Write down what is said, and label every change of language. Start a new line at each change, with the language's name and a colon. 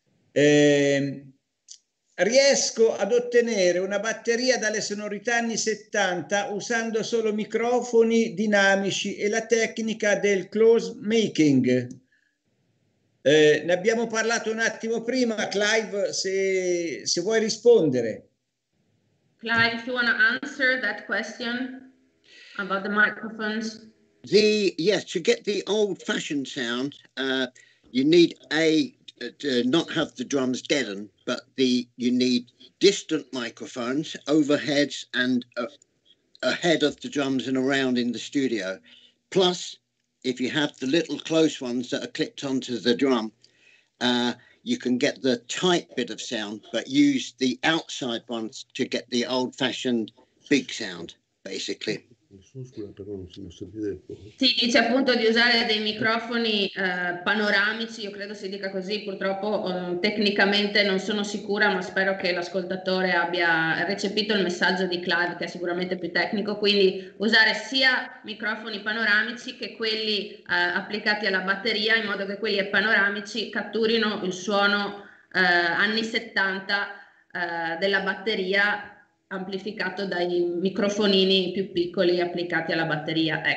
Italian: Riesco ad ottenere una batteria dalle sonorità anni 70 usando solo microfoni dinamici e la tecnica del close making. Ne abbiamo parlato un attimo prima, Clive, se vuoi rispondere.
English: Clive, do you want to answer that question about the microphones? To get the old-fashioned sound, you need a to not have the drums deadened, but the you need distant microphones, overheads, and ahead of the drums and around in the studio. Plus, if you have the little close ones that are clipped onto the drum, you can get the tight bit of sound, but use the outside ones to get the old-fashioned big sound, basically.
Italian: Scusa, però non sono sentito. Sì, dice appunto di usare dei microfoni panoramici, io credo si dica così, purtroppo tecnicamente non sono sicura, ma spero che l'ascoltatore abbia recepito il messaggio di Clive, che è sicuramente più tecnico, quindi usare sia microfoni panoramici che quelli applicati alla batteria, in modo che quelli panoramici catturino il suono anni 70 della batteria, amplificato dai microfonini più piccoli applicati alla batteria.